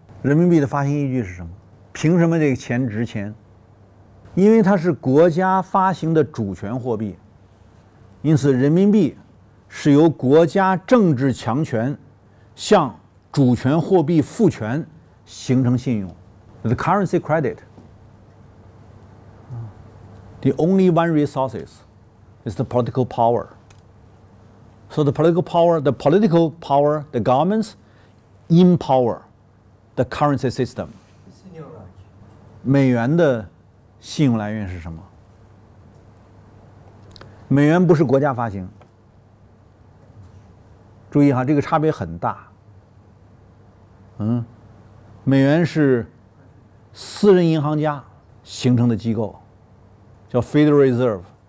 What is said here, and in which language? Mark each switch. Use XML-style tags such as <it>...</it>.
<zh>人民币的发行依据是什么？凭什么这个钱值钱？因为它是国家发行的主权货币，因此人民币是由国家政治强权向主权货币赋权形成信用。</zh> <en>The currency credit The only one resource is the political power. So the political power, the governments empower the currency system.</en> <zh>美元的信用来源是什么？美元不是国家发行。注意哈，这个差别很大。美元是私人银行家形成的机构，叫</zh> <en>Federal Reserve。</en>